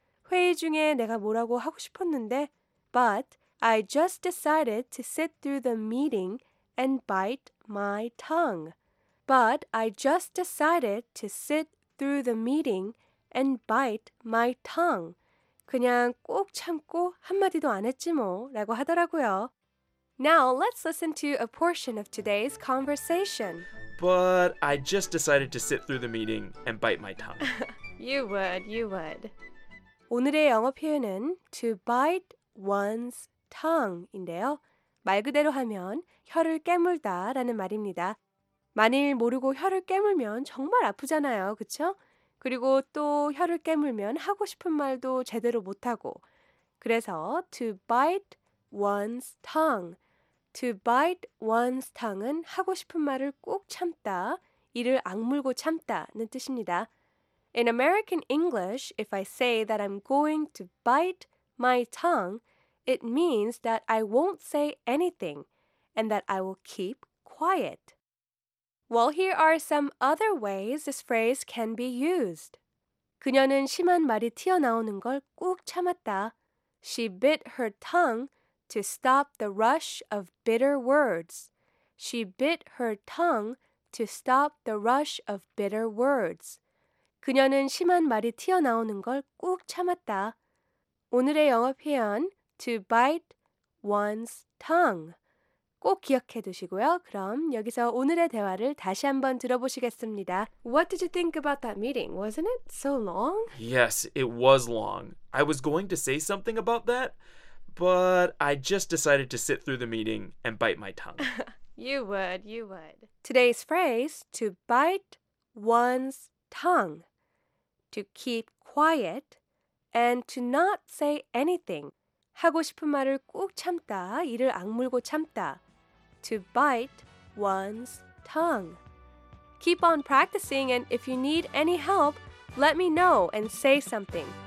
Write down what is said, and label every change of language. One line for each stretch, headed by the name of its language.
Korean: 회의 중에 내가 뭐라고 하고 싶었는데
English: But I just decided to sit through the meeting and bite my tongue. But I just decided to sit through the meeting and bite my tongue.
Korean: 그냥 꼭 참고 한마디도 안 했지 뭐 라고 하더라고요.
English: Now let's listen to a portion of today's conversation. But I just decided to sit through the meeting and bite my tongue. You would, you would.
Korean: 오늘의 영어 표현은
English: to bite one's tongue인데요.
Korean: 말 그대로 하면 혀를 깨물다 라는 말입니다. 만일 모르고 혀를 깨물면 정말 아프잖아요, 그쵸? 그리고 또 혀를 깨물면 하고 싶은 말도 제대로 못하고 그래서 to bite one's tongue. To bite one's tongue은 하고 싶은 말을 꼭 참다, 이를 악물고 참다는 뜻입니다.
English: In American English, if I say that I'm going to bite my tongue, it means that I won't say anything and that I will keep quiet. Well, here are some other ways this phrase can be used.
Korean: 그녀는 심한 말이 튀어나오는 걸 꾹 참았다.
English: She bit her tongue to stop the rush of bitter words. She bit her tongue to stop the rush of bitter words.
Korean: 그녀는 심한 말이 튀어나오는 걸 꾹 참았다. 오늘의 영어 표현, to bite one's tongue. 꼭 기억해 두시고요. 그럼 여기서 오늘의 대화를 다시 한번 들어보시겠습니다.
English: What did you think about that meeting? Wasn't it so long? Yes, it was long. I was going to say something about that, but I just decided to sit through the meeting and bite my tongue. You would, you would. Today's phrase, to bite one's tongue, to keep quiet, and to not say anything.
Korean: 하고 싶은 말을 꼭 참다, 이를 악물고 참다.
English: To bite one's tongue. Keep on practicing, and if you need any help, let me know and say something.